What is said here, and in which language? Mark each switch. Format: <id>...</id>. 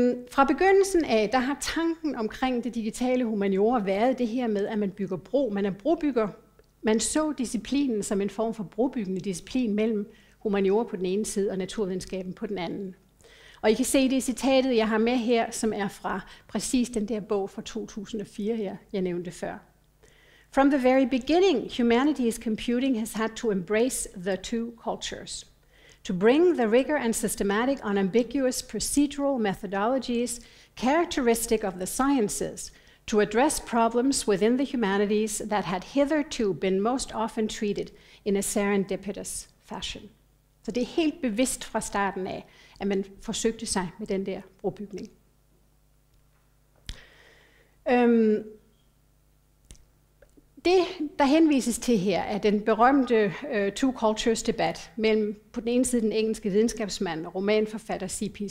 <da>Fra begyndelsen af, der har tanken omkring det digitale humaniora været det her med, at man bygger bro. Man er brobygger. Man så disciplinen som en form for brobyggende disciplin mellem humaniora på den ene side og naturvidenskaben på den anden. Og I kan se det i citatet, jeg har med her, som er fra præcis den der bog fra 2004, jeg nævnte før.</da> <en>From the very beginning, humanities computing has had to embrace the two cultures. To bring the rigor and systematic unambiguous procedural methodologies characteristic of the sciences to address problems within the humanities that had hitherto been most often treated in a serendipitous fashion.</en> <da>Så det er helt bevidst fra starten af, at man forsøgte sig med den der brobygning. Det, der henvises til her, er den berømte Two Cultures-debat mellem på den ene side den engelske videnskabsmand og romanforfatter C.P.</da>